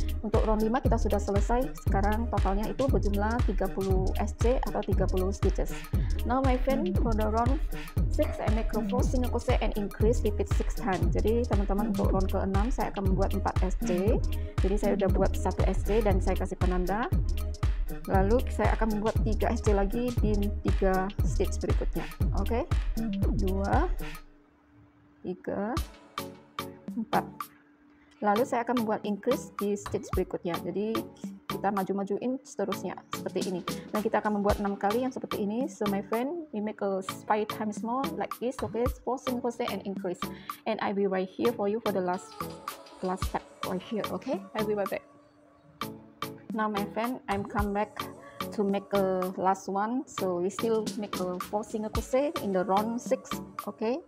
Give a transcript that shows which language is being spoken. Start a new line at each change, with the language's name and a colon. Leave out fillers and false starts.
Indonesian: Untuk round 5 kita sudah selesai. Sekarang totalnya itu berjumlah 30 SC atau 30 stitches.
English: Now my friend, for the round 6, I make a 4 single crochet and increase, repeat 6 times.
Indonesian: Jadi teman-teman, untuk round ke-6 saya akan membuat 4 SC. Jadi saya sudah buat 1 SC dan saya kasih penanda. Lalu saya akan membuat 3 SC lagi di 3 stitch berikutnya. Oke.
English: Okay? 2 3 4.
Indonesian: Lalu saya akan membuat increase di stitch berikutnya. Jadi kita maju-majuin seterusnya seperti ini. Dan kita akan membuat 6 kali yang seperti ini.
English: So my friend, we make a 5 times more like this. Okay? 4 single crochet and increase. And I will be right here for you for the last step right here, okay? I will be right back. Now my friend, I'm come back to make a last one. So we still make a 4 single crochet in the round 6, okay?